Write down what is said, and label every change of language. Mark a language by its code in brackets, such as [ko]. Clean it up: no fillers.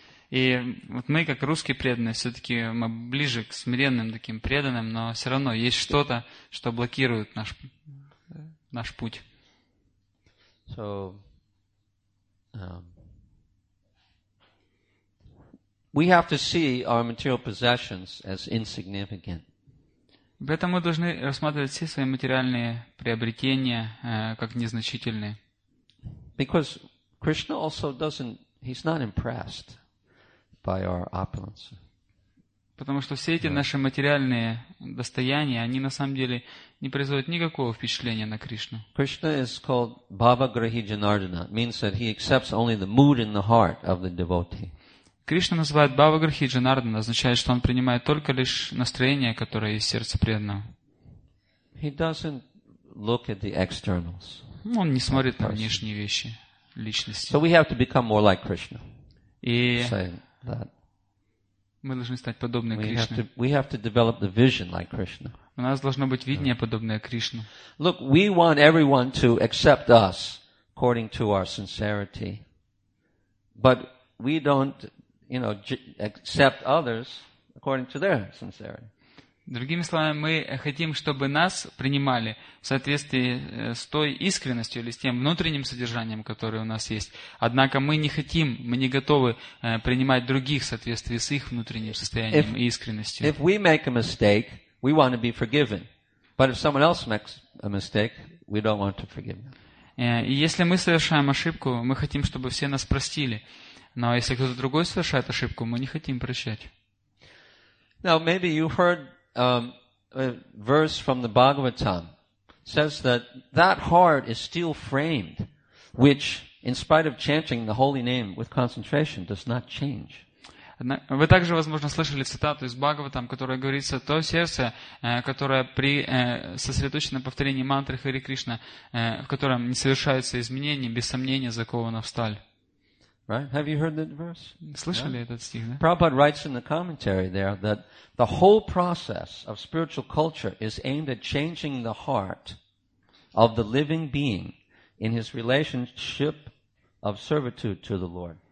[ru] И вот мы, как русские преданные, все-таки мы ближе к смиренным таким преданным, но все равно есть что-то, что блокирует наш путь. [en] So, we have to see our material possessions as insignificant. [ru] Поэтому мы должны рассматривать все свои материальные приобретения как незначительные. [en] Because Krishna also doesn't, he's not impressed by our opulence. [ru] Потому что все эти наши материальные достояния, они на самом деле не производят никакого впечатления на Кришну. [en] Krishna is called Bhava Grahi Janardana, means that he accepts only the mood in the heart of the devotee. [ru] Кришна называет Бхава Грахи Джанардана, означает, что он принимает только лишь настроение, которое есть в сердце преданного. [en] He doesn't look at the externals. [ru] Он не смотрит на внешние вещи, личности. [en] So we have to become more like Krishna. [ru] И мы должны стать подобны Кришне. [en] We have to develop the vision like Krishna. [ru] У нас должно быть видение, подобное Кришне. [en] Look, we want everyone to accept us according to our sincerity. But we don't accept others according to their sincerity. [ru] Другими словами, мы хотим, чтобы нас принимали в соответствии с той искренностью или с тем внутренним содержанием, которое у нас есть. Однако мы не хотим, мы не готовы принимать других в соответствии с их внутренним состоянием и искренностью. [en] If we make a mistake, we want to be forgiven. But if someone else makes a mistake, we don't want to forgive them. [ru] И если мы совершаем ошибку, мы хотим, чтобы все нас простили. Но если кто-то другой совершает ошибку, мы не хотим прощать. [en] Now maybe you heard a verse from the Bhagavatam. It says that that heart is steel framed, which, in spite of chanting the holy name with concentration, does not change. [ru] Вы также, возможно, слышали цитату из Бхагаватам, в которой говорится: то сердце, которое при сосредоточенном повторении мантры Хари Кришна, в котором не совершаются изменения, без сомнения заковано в сталь. [en] Right? Have you heard that verse? [ru] Слышали этот стих, да? [en] Prabhupada writes in the commentary there that the whole process of spiritual culture is aimed at changing the heart of the living being in his relationship of servitude to the Lord.